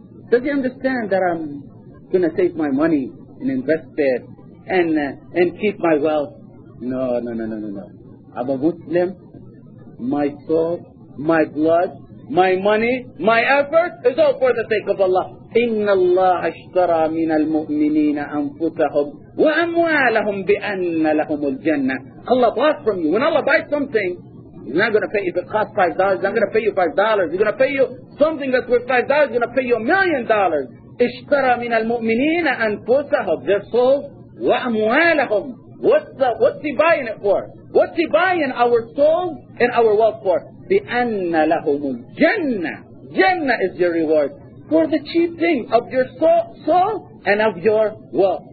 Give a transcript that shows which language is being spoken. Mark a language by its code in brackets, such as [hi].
[en] Does he understand that I'm going to take my money and invest it and keep my wealth? No. I'm a Muslim. My soul, my blood, my money, my effort is all for the sake of Allah. [ar] إن الله اشترى من المؤمنين أنفسهم وأموالهم بأن لهم الجنة. [en] Allah bought from you. When Allah buys something, He's not going to pay you. If it costs $5, He's not going to pay you $5. He's going to pay you something that's worth $5. He's going to pay you $1 million. [ar] اشترى من المؤمنين أنفسهم. [en] Their souls وأموالهم. What's he buying it for? What's he buying our souls and our wealth for? [ar] بأن لهم الجنة. [en] جنة is your reward. For the cheap thing of your soul and of your wealth.